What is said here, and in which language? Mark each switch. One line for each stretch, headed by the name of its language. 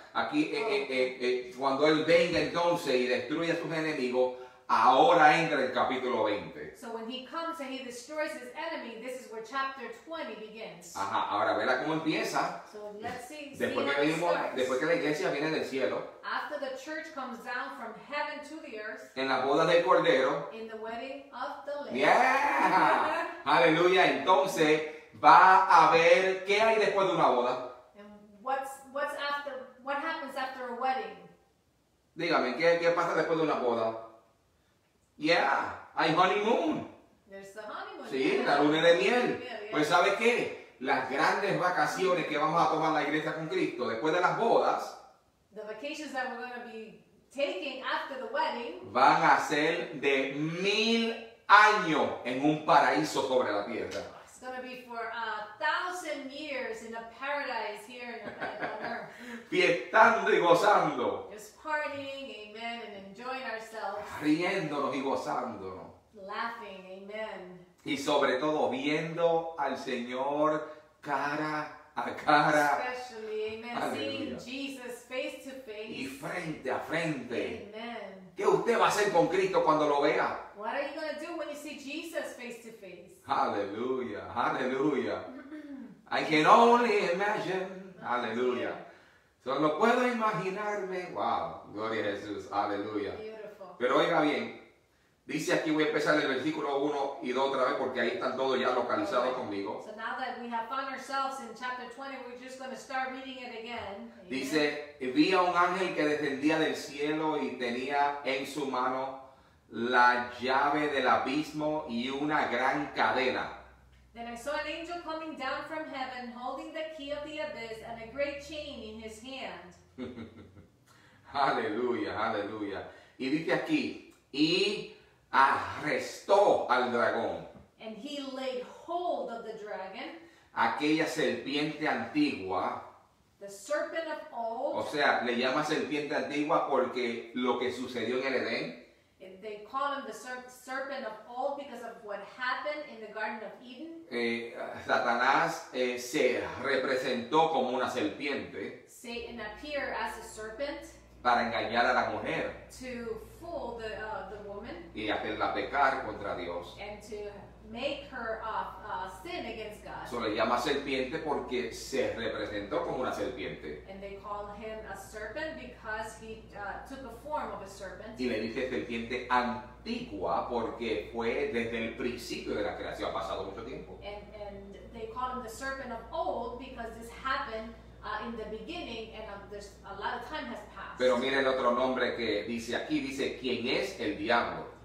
Spanish: Aquí, cuando él venga entonces y destruye a sus enemigos, ahora entra el capítulo 20.
English: So when he comes and he destroys his enemy, this is where chapter 20 begins.
Spanish: Ajá, ahora verá cómo empieza.
English: So let's see.
Spanish: Después que la iglesia viene del cielo.
English: After the church comes down from heaven to the earth.
Spanish: En la boda del cordero.
English: In the wedding of the lamb. Yeah.
Spanish: Aleluya, entonces va a ver qué hay después de una boda.
English: And what's after, what happens after a wedding?
Spanish: Dígame, ¿qué pasa después de una boda? Yeah, hay honeymoon.
English: There's the honeymoon.
Spanish: Sí,
English: yeah.
Spanish: La luna de miel.
English: Yeah, yeah.
Spanish: Pues ¿sabes qué? Las grandes vacaciones que vamos a tomar la iglesia con Cristo después de las bodas.
English: The vacations that we're going to be taking after the wedding.
Spanish: Van a ser de 1,000 años en un paraíso sobre la tierra.
English: It's going to be for 1,000 years in a paradise here in heaven.
Spanish: Fiestando y gozando.
English: Just partying, amen, and enjoying ourselves.
Spanish: Riéndonos y gozándonos.
English: Laughing, amen.
Spanish: Y sobre todo viendo al Señor cara a cara.
English: Especially, amen.
Spanish: Aleluya.
English: Seeing Jesus face to face.
Spanish: Y frente a frente.
English: Amen.
Spanish: ¿Qué usted va a hacer con Cristo cuando lo vea?
English: What are you going to do when you see Jesus face to face?
Spanish: Aleluya, aleluya.
English: I can only imagine. Aleluya.
Spanish: Solo puedo imaginarme. Wow. Gloria a Jesús. Aleluya.
English: Beautiful.
Spanish: Pero oiga bien. Dice aquí, voy a empezar el versículo 1 y 2 otra vez porque ahí están todos ya localizados
English: okay.
Spanish: conmigo.
English: So now that we have found ourselves in chapter 20, we're just going to start reading it again.
Spanish: Dice, vi a un ángel que descendía del cielo y tenía en su mano la llave del abismo y una gran cadena.
English: Then I saw an angel coming down from heaven, holding the key of the abyss and a great chain in his hand.
Spanish: Aleluya, aleluya. Y dice aquí, y arrestó al dragón.
English: And he laid hold of the dragon.
Spanish: Aquella serpiente antigua.
English: The serpent of old.
Spanish: O sea, le llama serpiente antigua porque lo que sucedió en el Edén.
English: They call him the serpent of old because of what happened in the Garden of Eden.
Spanish: Satanás se representó como una serpiente.
English: Satan appeared as a serpent.
Spanish: Para engañar a la mujer.
English: To fool the woman.
Spanish: Y hacerla pecar contra Dios.
English: And to make her sin against God.
Spanish: So le llama serpiente porque se representó como una serpiente.
English: And they call him a serpent because he took the form of a serpent.
Spanish: Y le dice serpiente antigua porque fue desde el principio de la creación, ha pasado mucho tiempo.
English: And they call him the serpent of old because this happened in the beginning and there's a lot of time has passed.
Spanish: Pero mira el otro nombre que dice aquí, dice quién es el diablo.